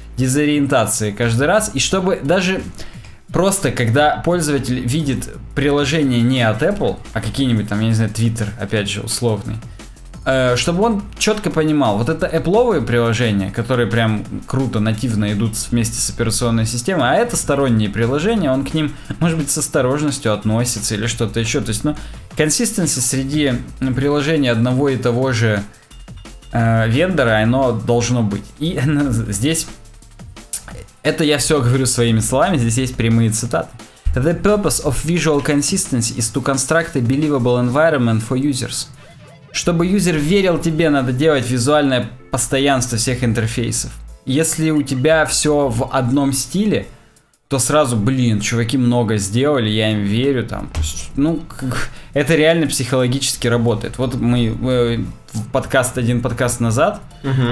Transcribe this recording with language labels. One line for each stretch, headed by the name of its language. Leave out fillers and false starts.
Russian: дезориентации каждый раз, и чтобы даже просто, когда пользователь видит приложение не от Apple, а какие-нибудь там, я не знаю, Twitter, опять же, условный, чтобы он четко понимал, вот это Apple-овые приложения, которые прям круто, нативно идут вместе с операционной системой, а это сторонние приложения, он к ним, может быть, с осторожностью относится или что-то еще, то есть, ну, консистенция среди приложений одного и того же вендора, оно должно быть. И здесь... Это я все говорю своими словами, здесь есть прямые цитаты.
English: The purpose of visual consistency is to construct a believable environment for users.
Russian: Чтобы юзер верил тебе, надо делать визуальное постоянство всех интерфейсов. Если у тебя все в одном стиле, то сразу, блин, чуваки много сделали, я им верю, там. Ну, это реально психологически работает. Вот мы в подкаст, один подкаст назад, uh-huh.